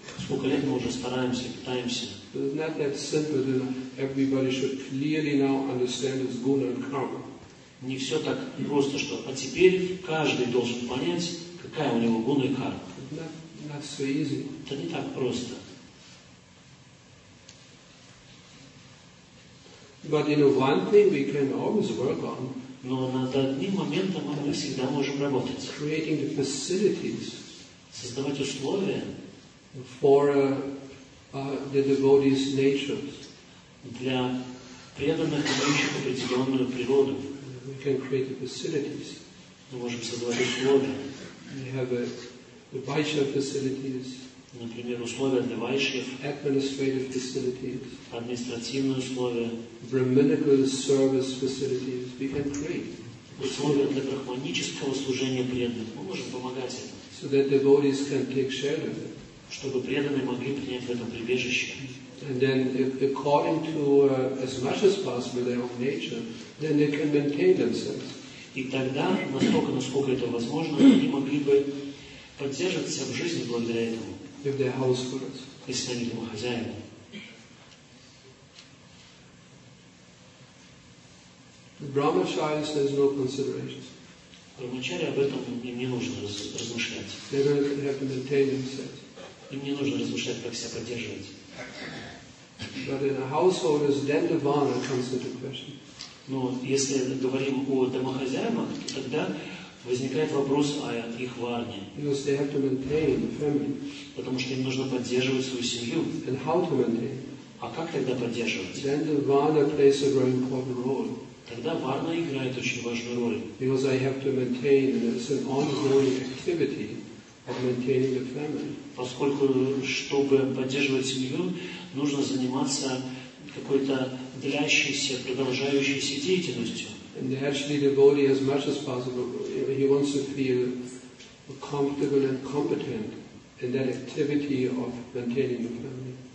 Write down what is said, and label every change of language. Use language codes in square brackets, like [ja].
[ru] Сколько лет мы уже стараемся, пытаемся. [en] It's not that simple that everybody should clearly now understand its guna and karma. [ru] Не все так просто, что а теперь каждый должен понять, какая у него гуна и карма. [en] Not so easy. [ru] Это не так просто. [en] But you know, one thing we can always work on. [ru] Но над одним моментом мы всегда можем работать. [en] Creating the facilities. [ru] Создавать условия. [en] For the devotees' natures. [ru] Для преданных, имеющих определенную природу. [en] We can create the facilities. [ru] Мы можем создавать условия. [en] We have the vaishya facilities. [ru] Например, условия для вайшьев. [en] Administrative facilities. [ru] Административные условия. [en] Brahminical service facilities. We can create. [ru] Условия для брахманического служения преданных. Мы можем помогать этому. [en] So that devotees can take shelter. [ru] Чтобы преданные могли принять в этом прибежище. [en] And then, according to as much as possible their own nature, then they can maintain themselves. [ru] И тогда, насколько это возможно, они могли бы поддерживать себя в жизни благодаря этому. [en] If they're householders. [ru] Если они домохозяева. [en] The brahmacharis has no considerations. [ru] Брахмачари об этом им не нужно размышлять. [en] They don't have to maintain themselves. [ru] Им не нужно размышлять, как себя поддерживать. [en] But in a householders, then the vana comes into question. [ru] Но если говорим о домохозяевах, тогда возникает вопрос о их варне. [en] Because they have to maintain the family. [ru] Потому что им нужно поддерживать свою семью. [en] And how to maintain? [ru] А как тогда поддерживать? [en] Then the vana plays a very important role. [ru] Тогда варна играет очень важную роль. [en] Because I have to maintain, and it's an ongoing activity of maintaining the family. [ru] Поскольку, чтобы поддерживать семью, нужно заниматься какой-то длящейся, продолжающейся деятельностью. [en] And actually the devotee as much as possible, he wants to feel comfortable and competent in that activity of maintaining the family.